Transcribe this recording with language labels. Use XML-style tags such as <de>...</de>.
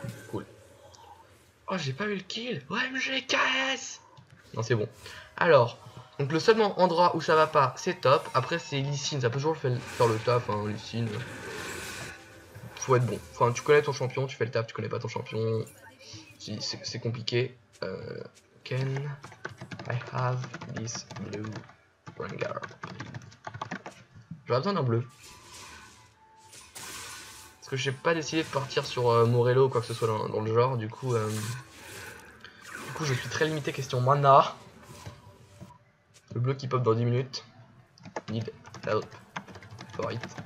<fr>Cool. Oh, j'ai pas eu le kill. OMG, KS. Non, c'est bon. Alors, donc le seul endroit où ça va pas, c'est top. Après, c'est Lee Sin. Ça peut toujours faire le taf, hein, Lee Sin. Faut être bon. Enfin, tu connais ton champion, tu fais le taf, tu connais pas ton champion. C'est compliqué.</fr> <en>Can I have this blue Rengar?</en> <fr>J'aurais besoin d'un bleu. Parce que j'ai pas décidé de partir sur Morello ou quoi que ce soit dans le genre. Du coup, je suis très limité question mana. Le bleu qui pop dans 10 minutes.</fr> <en>Need help for it.</en>